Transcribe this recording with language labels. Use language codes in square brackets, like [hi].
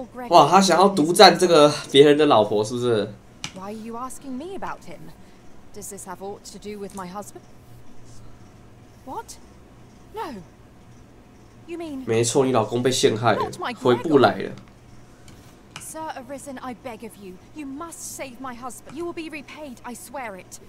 [zh] 哇，他想要独占这个别人的老婆，是不是？ [en] Why are you asking me about him? Does this have aught to do with my husband? What? No. You mean? [zh] 没错，你老公被陷害了，回不来了。 [en] Sir Arisen, I beg of you, you must save my husband. You will be repaid, I swear it.